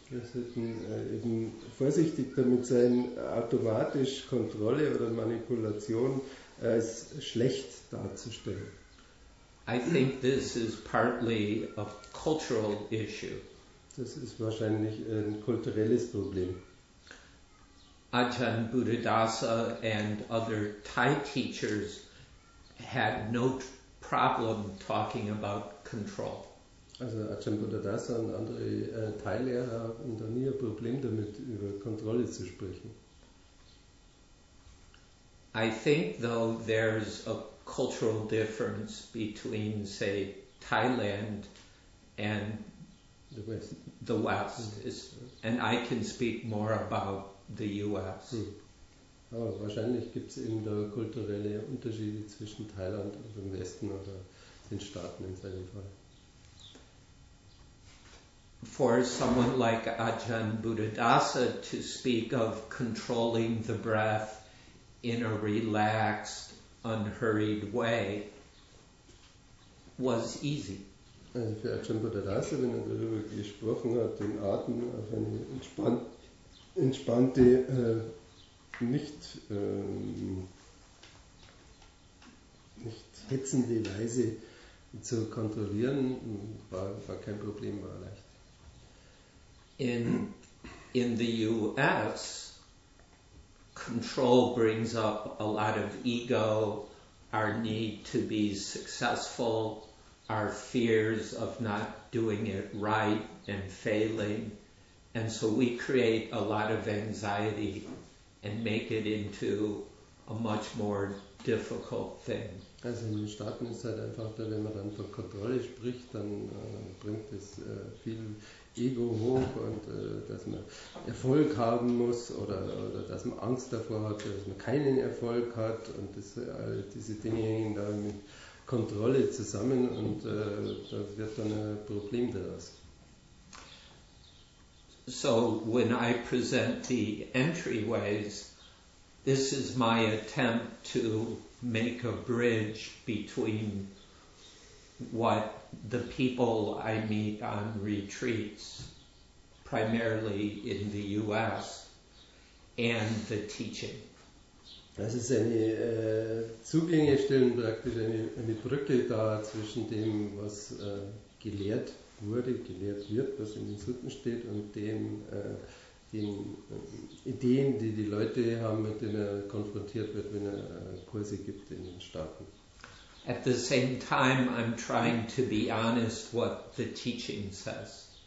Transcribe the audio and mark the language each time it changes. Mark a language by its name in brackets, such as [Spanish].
[German] Wir sollten eben vorsichtig damit sein, automatisch Kontrolle oder Manipulation als schlecht darzustellen. [English] I think this is partly a cultural issue. [German] Das ist wahrscheinlich ein kulturelles Problem. [English] Ajahn Buddhadasa and other Thai teachers had no problem talking about control. [German] Also Ajahn Buddhadasa und andere Thai-Lehrer hatten da nie ein Problem damit, über Kontrolle zu sprechen. [English] I think though there's a cultural difference between, say, Thailand and the West. And I can speak more about the US. [German] Aber wahrscheinlich gibt es eben da kulturelle Unterschiede zwischen Thailand und dem Westen oder den Staaten in seinem Fall. [English] For someone like Ajahn Buddhadasa to speak of controlling the breath in a relaxed, unhurried way was easy. [German] Also für Ajahn Buddhadasa, wenn er darüber gesprochen hat, den Atem auf eine entspannte, nicht hetzende Weise zu kontrollieren, war kein Problem, war leicht. [English] In the US, control brings up a lot of ego, our need to be successful, our fears of not doing it right and failing. And so we create a lot of anxiety and make it into a much more difficult thing. [German] Also in den Staaten ist halt einfach da, wenn man dann von Kontrolle spricht, dann bringt es viel Ego hoch und dass man Erfolg haben muss oder dass man Angst davor hat, dass man keinen Erfolg hat und all diese Dinge hängen da mit Kontrolle zusammen und da wird dann ein Problem daraus. [English] So when I present the entryways, this is my attempt to make a bridge between what the people I meet on retreats, primarily in the US, and the teaching. [German] Das ist eine Zugängestelle, praktisch eine Brücke da zwischen dem, was gelehrt wurde, gelehrt wird, was in den Sutten steht und den Ideen, die die Leute haben, mit denen er konfrontiert wird, wenn er Kurse gibt in den Staaten. [English] At the same time, I'm trying to be honest what the teaching says.